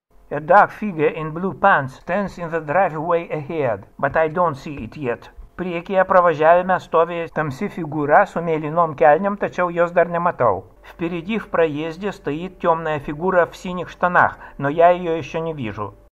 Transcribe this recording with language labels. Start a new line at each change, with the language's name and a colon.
English: A dark figure in blue pants stands in the driveway ahead, but I don't see it yet.
Lithuanian: Priekyje pravažiavime stovi tamsi figūra su mėlynom kelniam, tačiau jos dar nematau.
Russian: Впереди в проезде стоит темная фигура в синих штанах, но я ее еще не вижу.